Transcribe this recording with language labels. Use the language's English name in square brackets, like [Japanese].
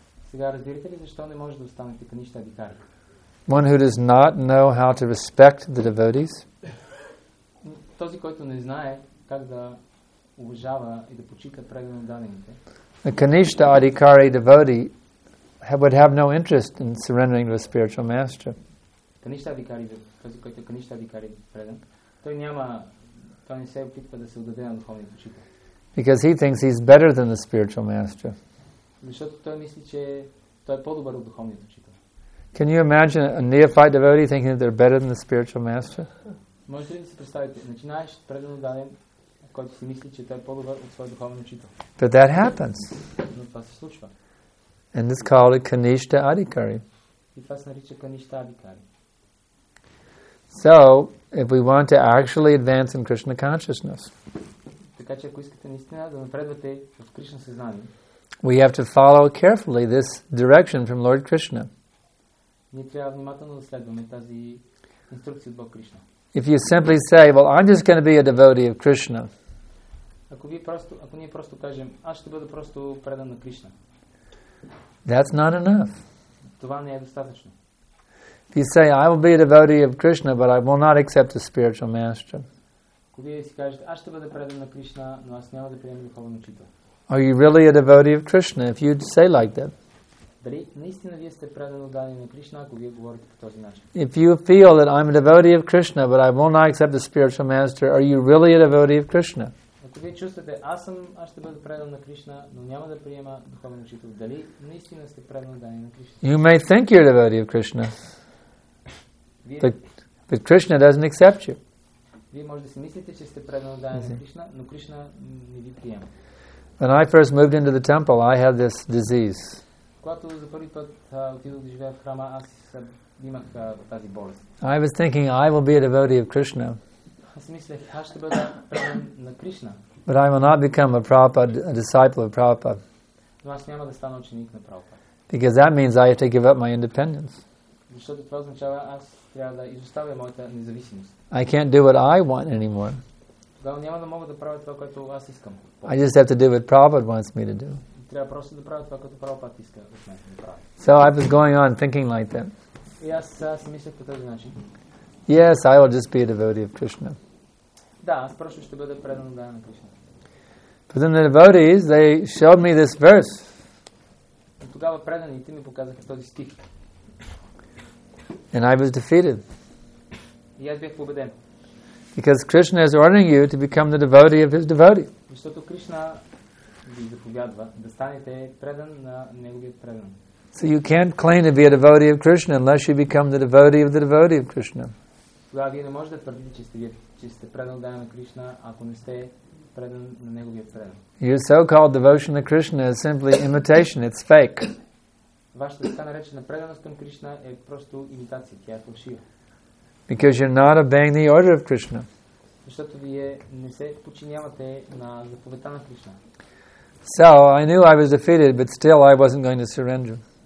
[Bulgarian] Сега разбирате ли защо не може да останете Kanishta Adhikari? [English] One who does not know how to respect the devotees. [Bulgarian] Този, който не знае как да уважава и да почита преданите даденните. [English] A Kanishta Adhikari devotee would have no interest in surrendering to a spiritual master. [Bulgarian] Kanishta Adhikari, този, който Kanishta Adhikari предан, той няма, той не се опитва да се отдаде на духовния учител. [English] Because he thinks he's better than the spiritual master. [Bulgarian] Защото той мисли, че той е по-добър от духовния учител. [English] Can you imagine a neophyte devotee thinking that they're better than the spiritual master? [Bulgarian] Можете ли да си представите, начинаеш предан даден, който си мисли, че той е по-добър от своя духовен учител. [English] But that happens. [Bulgarian] Но това се случва. [English] And it's called a Kanishta Adhikari. [Bulgarian] И това се нарича Kanishta Adhikari. [English] So, if we want to actually advance in Krishna consciousness, [Bulgarian] така че ако искате наистина да напредвате в Кришна съзнание, [English] we have to follow carefully this direction from Lord Krishna. [Bulgarian] Ние трябва внимателно да следваме тази инструкция от Бог Кришна. [English] If you simply say, well, I'm just going to be a devotee of Krishna. [Bulgarian] Ако ние просто кажем, аз ще бъда просто предан на Кришна. [English] That's not enough. [Bulgarian] Това не е достатъчно. [English] If you say, I will be a devotee of Krishna, but I will not accept a spiritual master. [Bulgarian] Ако вие си кажете, аз ще бъда предан на Кришна, но аз няма да приема духовен учител. [English] Are you really a devotee of Krishna if you say like that? [Bulgarian] Дали наистина вие сте предан отдаден на Кришна, ако вие говорите по този начин? [English] If you feel that I'm a devotee of Krishna, but I will not accept a spiritual master, are you really a devotee of Krishna? [Bulgarian] Ако вие чувствате, аз ще бъда предан на Кришна, но няма да приема духовен учител, дали наистина сте предан отдаден на Кришна? [English] You may think you're a devotee of Krishna, but Krishna doesn't accept you. [Bulgarian] Вие може да си мислите, че сте предан отдаден на Кришна, но Кришна не ви приема. [English] When I first moved into the temple, I had this disease. [Bulgarian] Когато за първи път отидох да живея в храма, аз имах тази болест. [English] I was thinking I will be a devotee of Krishna. [Bulgarian] Аз мислех, аз ще бъда предан на Кришна. [English] But I will not become a Prabhupada, a disciple of Prabhupada. [Bulgarian] Но аз няма да стана ученик на Прабхупада. [English] Because that means I have to give up my independence. [Bulgarian] Защото това означава, аз трябва да изоставя моята независимост. [English] I can't do what I want anymore. [Bulgarian] Тогава няма да мога да правя това, което аз искам. [English] I just have to do what Prabhupada wants me to do. [Bulgarian] Трябва просто да правя това, което Прабхупад иска от мен. [English] So I was going on thinking like that. [Bulgarian] И аз си мислех по този начин. [English] Yes, I will just be a devotee of Krishna. [Bulgarian] Да, аз просто ще бъда предан отдаден на Кришна. [English] But then the devotees, they showed me this verse. [Bulgarian] И тогава преданите ми показаха този стих. [English] And I was defeated. [Bulgarian] И аз бях победен. [English] Because Krishna is ordering you to become the devotee of his devotee. [Bulgarian] Защото Кришна ви заповядва да станете предан на неговият предан. [English] So you can't claim to be a devotee of Krishna unless you become the devotee of the devotee of Krishna. [Bulgarian] Тогава вие не можете да твърдите, че сте предан на Кришна, ако не сте предан на неговият предан. [English] Your so-called devotion to Krishna is simply imitation, it's fake. [Bulgarian] Вашата така наречена преданост към Кришна е просто имитация, тя е фалшива. [English] Because you're not obeying the order of Krishna. [Bulgarian] Защото вие не се подчинявате на заповедта на Кришна. [English] So, I knew I was defeated, but still I wasn't going to surrender.